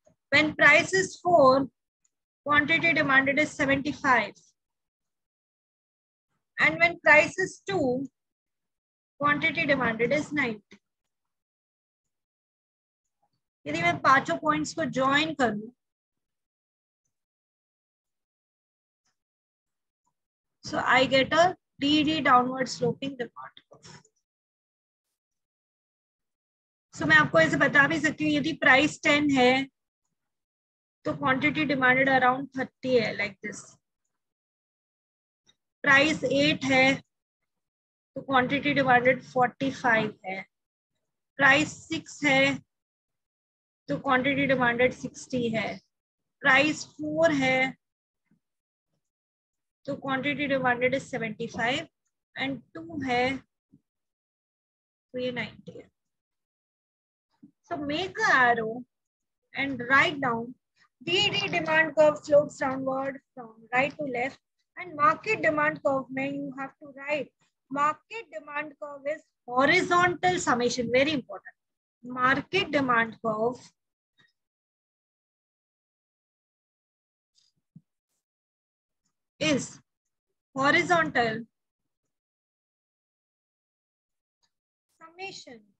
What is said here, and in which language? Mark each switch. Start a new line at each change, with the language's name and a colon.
English: When price is 4, quantity demanded is 75. And when price is 2, quantity demanded is 90.
Hindi: यदि मैं पांचों points को join करूं,
English: So I get a DD downward sloping demand.
Hindi: सो मैं आपको ऐसे बता भी सकती हूँ, यदि प्राइस 10 है तो क्वांटिटी डिमांडेड अराउंड 30 है,
English: Like this.
Hindi: प्राइस 8 है तो क्वांटिटी डिमांडेड 45 है. प्राइस 6 है तो क्वांटिटी डिमांडेड 60 है. प्राइस 4 है तो क्वांटिटी डिमांडेड इज 75 एंड 2 है तो ये 90 है.
English: So make arrow and write down DD demand curve slopes downward from right to left and market demand curve में you have to write market demand curve is horizontal summation. Very important. Market demand curve is horizontal summation.